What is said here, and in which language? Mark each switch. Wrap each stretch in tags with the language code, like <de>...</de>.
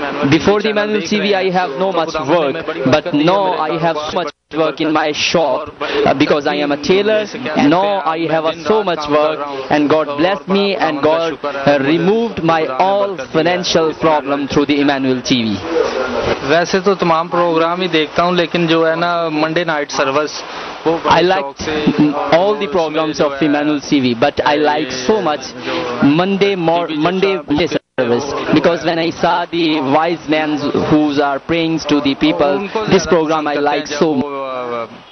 <en>Before the manual TV, I have no much work, but now I have so much work in my shop because I am a tailor. Now I have so much work, and God blessed me, and God removed my all financial problem through the Emmanuel TV.</en> <hi>वैसे तो तमाम programme ही देखता हूँ, लेकिन जो है ना Monday night service.</hi> <en>I like all the programs of Emmanuel TV, but I like so much Monday service, because when I saw the wise men who are praying to the people, this program I like so much.</en>